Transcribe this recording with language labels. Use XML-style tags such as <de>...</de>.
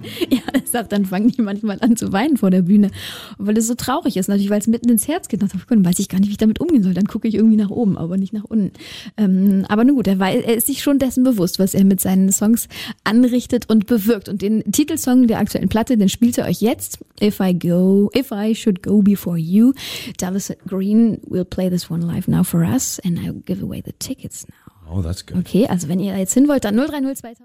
<de>Ja, deshalb dann fangen die manchmal an zu weinen vor der Bühne, weil es so traurig ist, natürlich, weil es mitten ins Herz geht. Und dann weiß ich gar nicht, wie ich damit umgehen soll. Dann gucke ich irgendwie nach oben, aber nicht nach unten. Aber nun gut, er ist sich schon dessen bewusst, was er mit seinen Songs anrichtet und bewirkt. Und den Titelsong der aktuellen Platte, den spielt er euch jetzt.</de> <en>If I should go before you, Dallas Green will play this one live now for us and I'll give away the tickets now. Oh, that's good.</en> <de>Okay, also wenn ihr da jetzt hin wollt, dann 0302.</de>